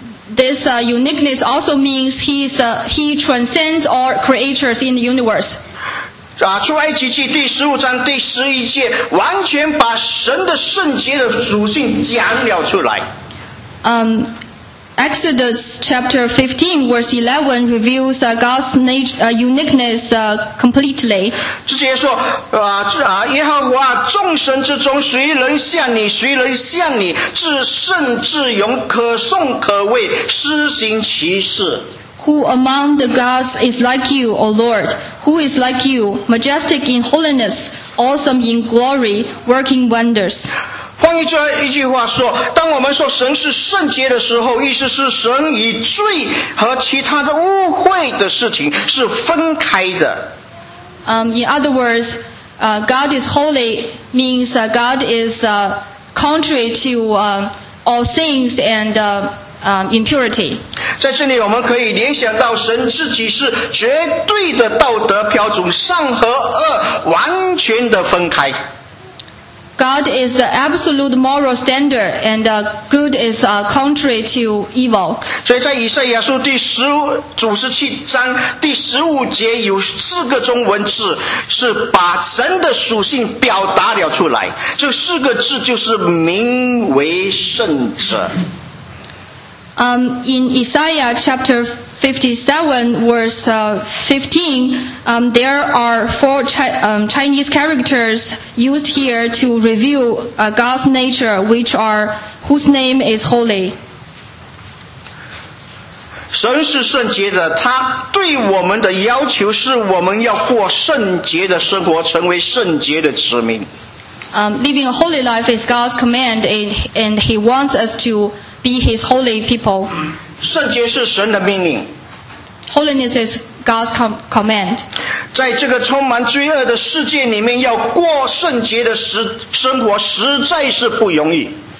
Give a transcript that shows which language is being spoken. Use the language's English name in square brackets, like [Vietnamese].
[English] This uniqueness also means he transcends all creatures in the universe. [Chinese] 出埃及记第十五章第十一节，完全把神的圣洁的属性讲了出来。 [English] Exodus chapter 15 verse 11 reveals God's uniqueness completely. [Chinese] 直接说，耶和华众神之中，谁能像你？谁能像你？至圣至荣，可颂可畏，施行其事。 [English] Who among the gods is like you, O Lord? Who is like you, majestic in holiness, awesome in glory, working wonders? [Chinese] 换一句话说，当我们说神是圣洁的时候，意思是神与罪和其他的污秽的事情是分开的。 [English] In other words, God is holy means God is contrary to all things and impurity. [Chinese] 在这里我们可以联想到神自己是绝对的道德标准，善和恶完全的分开。 [English] God is the absolute moral standard, and good is contrary to evil. [Chinese] 所以在以赛亚书第十五章第十五节有四个中文字是把神的属性表达了出来，这四个字就是名为圣者。 [English] In Isaiah chapter 57, verse 15, there are four Chinese characters used here to reveal God's nature, whose name is holy. [Chinese] 神是圣洁的, 他对我们的要求是我们要过圣洁的生活, 成为圣洁的子民。 [English] Living a holy life is God's command, and He wants us to be His holy people. [Chinese] 圣洁是神的命令。 [English] Holiness is God's command. [Chinese] 在这个充满罪恶的世界里面, 要过圣洁的生活, 实在是不容易。